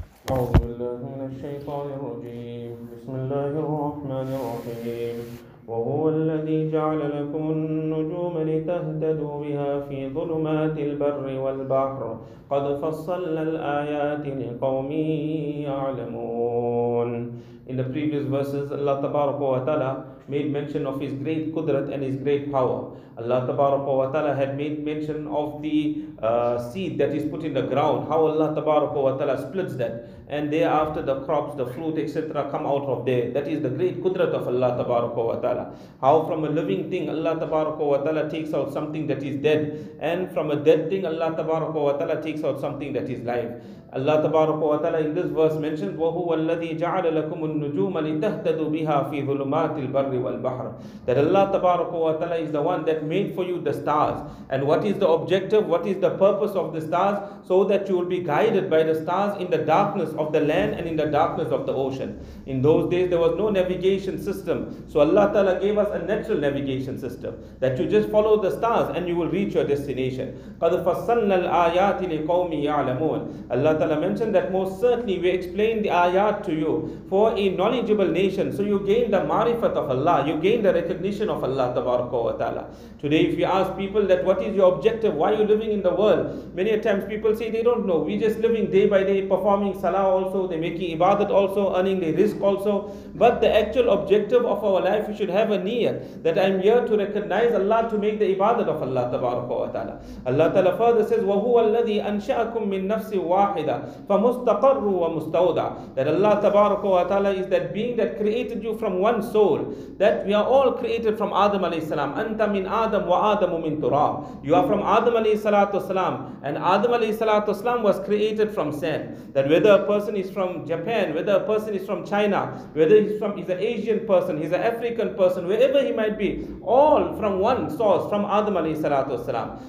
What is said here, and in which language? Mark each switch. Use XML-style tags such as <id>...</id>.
<ar>أعوذ بالله من الشيطان الرجيم. بسم الله الرحمن الرحيم. وهو الذي جعل لكم النجوم لتهتدوا بها في ظلمات البر والبحر قد فصلنا الآيات لقوم يعلمون.</ar> <en>In the previous verses, Allah Tabaraka wa Ta'ala made mention of His great Qudrat and His great power. Allah Tabaraka wa Ta'ala had made mention of the seed that is put in the ground, how Allah Tabaraka wa Ta'ala splits that, and thereafter the crops, the fruit, etc. come out of there. That is the great Qudrat of Allah Tabaraka wa Ta'ala. How from a living thing, Allah Tabaraka wa Ta'ala takes out something that is dead, and from a dead thing, Allah Tabaraka wa Ta'ala takes out something that is live. Allah Tabaraka wa Ta'ala in this verse mentions,</en> <ar>وَهُوَ الَّذِي جَعَلَ لَكُمُ النُّجُومَ لِتَهْتَدُوا بِهَا فِي ظُلُمَاتِ الْبَرِّ وَالْبَحْرِ.</ar> <en>That Allah Tabaraka wa Ta'ala is the one that made for you the stars. And what is the objective, what is the purpose of the stars? So that you will be guided by the stars in the darkness of the land and in the darkness of the ocean. In those days there was no navigation system. So Allah Ta'ala gave us a natural navigation system, that you just follow the stars and you will reach your destination.</en> <ar>قَدْ فَصَّلْنَا الْآيَاتِ لِقَوْمِ يَعْلَمُونَ.</ar> <en>Allah Ta'ala mentioned that most certainly we explain the ayat to you for a knowledgeable nation. So you gain the marifat of Allah, you gain the recognition of Allah Tabaraka wa Ta'ala. Today if you ask people that what is your objective, why are you living in the world, many a times people say they don't know. We just living day by day, performing salah also, they making ibadat also, earning the risk also. But the actual objective of our life, we should have a niyat that I'm here to recognize Allah, to make the ibadat of Allah Tabaraka wa Ta'ala. Allah Ta'ala further says,</en> <ar>وَهُوَ الَّذِي أَنْشَأَكُمْ مِنْ نَفْسِ وَاحِدَ فَمُسْتَقَرُّ وَمُسْتَوْدَ.</ar> <en>That Allah Tabaraka wa Ta'ala is that being that created you from one soul, that we are all created from Adam alayhi salam.</en> <ar>أَنْتَ مِنْ آدَمْ وَآدَمُ مِنْ تُرَابْ.</ar> <en>You are from Adam alayhi salatu salam, and Adam alayhi salatu salam was created from sand. That whether a person is from Japan, whether a person is from China, whether he's an Asian person, he's an African person, wherever he might be, all from one source, from Adam alayhi salatu salam.</en>